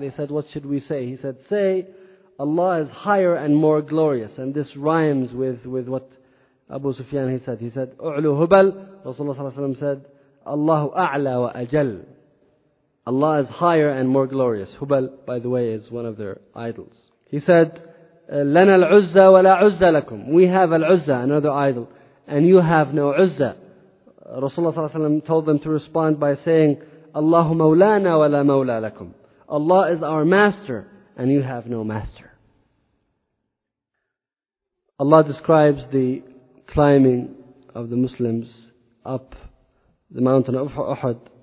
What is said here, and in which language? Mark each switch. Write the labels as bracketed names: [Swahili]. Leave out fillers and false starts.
[English] They said, what should we say? He said, say, Allah is higher and more glorious. And this rhymes with what Abu Sufyan he said. He said, [Arabic] U'lu Hubal. [English] Rasulullah ﷺ said, [Arabic] Allahu A'la wa Ajal. [English] Allah is higher and more glorious. Hubal, by the way, is one of their idols. He said, [Arabic] لَنَا الْعُزَّ وَلَا عُزَّ لَكُمْ. [English] We have al-'Uzza, another idol, and you have no Uzza. Rasulullah ﷺ told them to respond by saying, [Arabic] اللَّهُ مَوْلَانَا وَلَا مَوْلَى لَكُمْ. [English] Allah is our master, and you have no master. Allah describes the climbing of the Muslims up the mountain of Uhud.